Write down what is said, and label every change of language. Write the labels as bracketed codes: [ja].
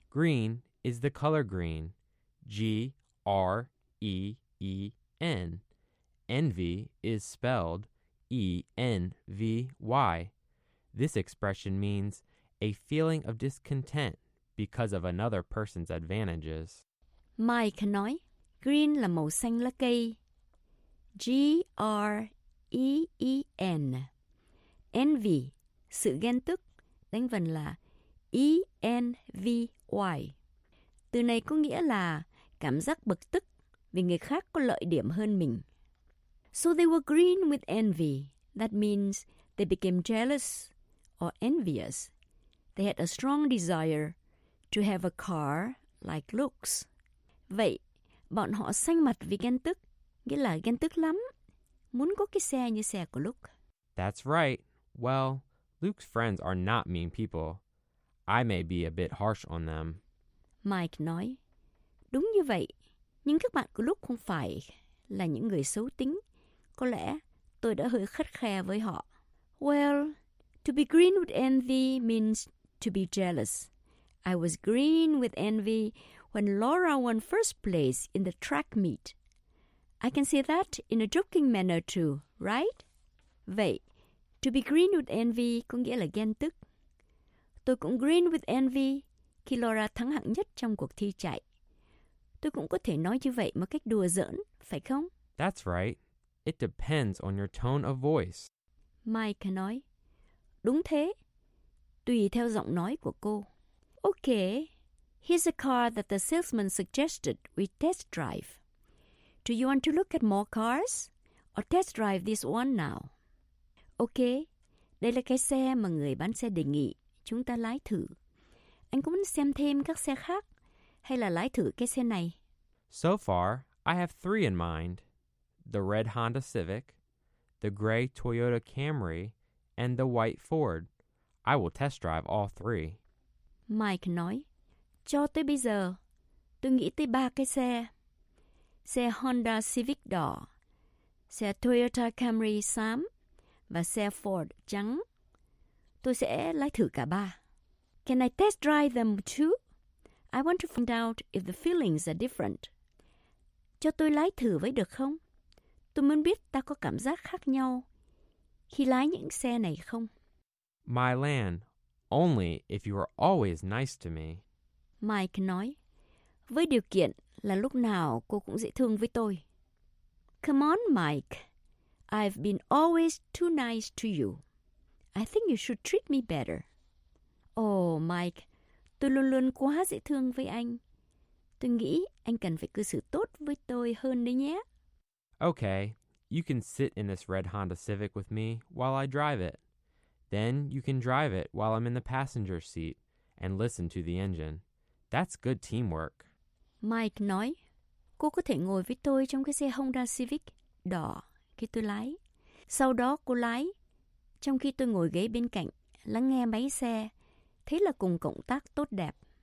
[en] Green is the color green. G-R-E-E-N. Envy is spelled E-N-V-Y. This expression means a feeling of discontent because of another person's advantages. [vi] Mike nói, green là màu xanh lá cây. G-R-E-E-N. Envy, sự ghen tức, đánh vần là E-N-V-Y. Từ này có nghĩa là cảm giác bực tức vì người khác có lợi điểm hơn mình. [en] So they were green with envy. That means they became jealous or envious. They had a strong desire to have a car like Luke's. [vi] Vậy, bọn họ xanh mặt vì ghen tức, nghĩa là ghen tức lắm, muốn có cái xe như xe của Luke. [en] That's right. Well, Luke's friends are not mean people. I may be a bit harsh on them. [vi] Mike nói, đúng như vậy, nhưng các bạn của Luke không phải là những người xấu tính. Có lẽ tôi đã hơi khắt khe với họ. [en] Well, to be green with envy means to be jealous. I was green with envy when Laura won first place in the track meet. I can say that in a joking manner too, right? [vi] Vậy, [en] to be green with envy [vi] có nghĩa là ghen tức. Tôi cũng [en] green with envy [vi] khi Laura thắng hạng nhất trong cuộc thi chạy. Tôi cũng có thể nói như vậy một cách đùa giỡn, phải không? [en] That's right. It depends on your tone of voice. [vi] Mike nói, đúng thế, tùy theo giọng nói của cô. [en] Okay, here's a car that the salesman suggested we test drive. Do you want to look at more cars or test drive this one now? [vi] Okay, đây là cái xe mà người bán xe đề nghị chúng ta lái thử. Anh có muốn xem thêm các xe khác hay là lái thử cái xe này? [en] So far, I have three in mind. The red Honda Civic, the gray Toyota Camry, and the white Ford. I will test drive all three. [vi] Mike nói, cho tới bây giờ, tôi nghĩ tới ba cái xe. Xe Honda Civic đỏ, xe Toyota Camry xám, và xe Ford trắng. Tôi sẽ lái thử cả ba. [en] Can I test drive them too? I want to find out if the feelings are different. [vi] Cho tôi lái thử với được không? Tôi muốn biết ta có cảm giác khác nhau khi lái những xe này không. [en] My Lan, only if you are always nice to me. [vi] Mike nói, với điều kiện là lúc nào cô cũng dễ thương với tôi. [en] Come on, Mike. I've been always too nice to you. I think you should treat me better. [vi] Oh, Mike, tôi luôn luôn quá dễ thương với anh. Tôi nghĩ anh cần phải cư xử tốt với tôi hơn đấy nhé. [en] Okay, you can sit in this red Honda Civic with me while I drive it. Then you can drive it while I'm in the passenger seat and listen to the engine. That's good teamwork. [vi] Mike nói, cô có thể ngồi với tôi trong cái xe Honda Civic đỏ khi tôi lái. Sau đó cô lái, trong khi tôi ngồi ghế bên cạnh, lắng nghe máy xe. Thế là cùng cộng tác tốt đẹp.